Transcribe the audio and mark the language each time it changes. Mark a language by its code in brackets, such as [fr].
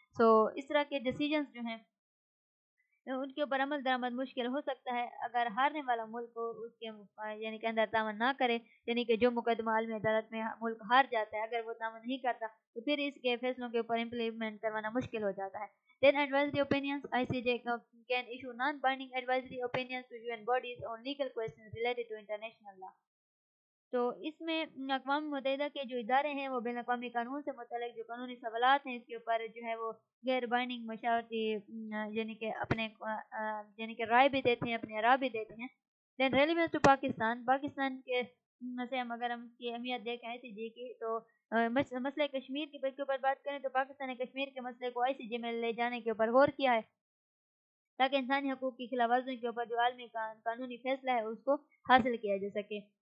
[hi] सो इस तरह के डिसीजंस जो हैं उनके ऊपर अमल दरामद मुश्किल हो सकता है अगर हारने वाला मुल्क उसके यानी कि अंदर तामन ना करे, यानी कि जो मुकदमा आलमी अदालत में मुल्क हार जाता है अगर वो तामन नहीं करता तो फिर इसके फैसलों के ऊपर इम्प्लीमेंट करवाना मुश्किल हो जाता है। [en] Then advisory opinions, ICJ can issue non-binding advisory opinions to UN bodies on legal questions related to international law. [hi] तो इसमें अक्वामी मुतहिदा के जो इदारे हैं वो बैन अक्वामी कानून से मुतलक जो कानूनी सवालात हैं इसके ऊपर जो है वो गैर बाइंडिंग मशावरती यानी कि अपने यानी कि राय भी देते हैं अपने राय भी देते हैं। [en] then relevance to Pakistan, [hi] Pakistan के से हम अगर हम इसकी अहमियत देखें ICJ की तो मसले कश्मीर के ऊपर बात करें तो पाकिस्तान ने कश्मीर के मसले को ICJ में ले जाने के ऊपर गौर किया है ताकि इंसानी हकूक की खिलाफवर्जियों के ऊपर जो आलमी कानूनी फैसला है उसको हासिल किया जा सके।